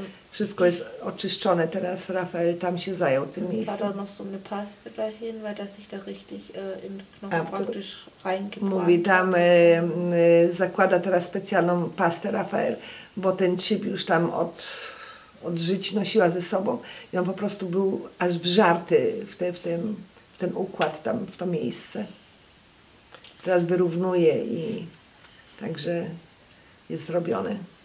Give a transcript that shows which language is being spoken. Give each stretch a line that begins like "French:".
Polish: Wszystko jest oczyszczone teraz. Rafael tam się zajął tym miejscem.
German: Zadał noch so eine Paste dahin, weil das sich da richtig in den Knochen praktisch reingebrannt.
Polish: Mówi, tam zakłada teraz specjalną pastę Rafael, bo ten chip już tam od od żyć nosiła ze sobą i on po prostu był aż wżarty w ten układ tam, w to miejsce. Teraz wyrównuje i także jest robione.